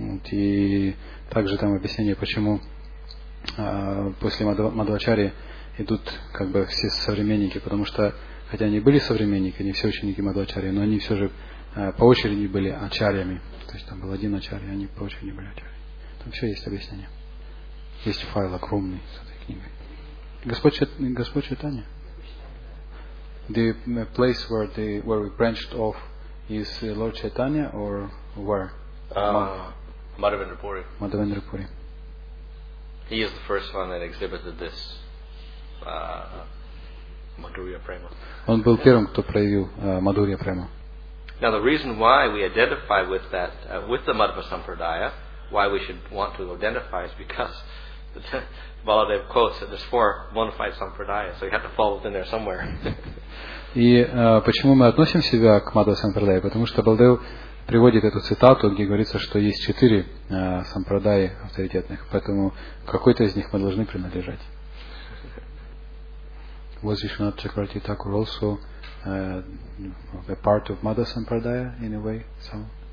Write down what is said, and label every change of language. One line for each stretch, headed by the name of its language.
Russian: И также там объяснение, почему после Мадхвачари идут как бы все современники, потому что хотя они были современники, не все ученики Мадхвачари, но они все же по очереди были ачарьями. То есть там был один ачарья, они по очереди были ачарьями. Там все есть объяснение. Есть файл огромный с этой книгой. Господь Чайтанья?
English: The place where we branched off is Lord Chaitanya or where? Madhavendra Puri. Madhavendra Puri. He is the first one that exhibited this Madhurya Prema.
Russian: Он был первым, кто проявил Madhurya Prema.
English: Now the reason why we identify with that, with the Madhva Sampradaya, why we should want to identify is because Baladev quotes that there's four bona fide Sampradaya, so you have to fall within there somewhere.
Russian: И почему мы относим себя к Madhva Sampradaya? Потому что Baladev приводит эту цитату, где говорится, что есть четыре Sampradaya авторитетных, поэтому какой-то из них мы должны принадлежать.
English: Was Vishwanath Chakravarti Thakur also a part of Madhva Sampradaya in a way, so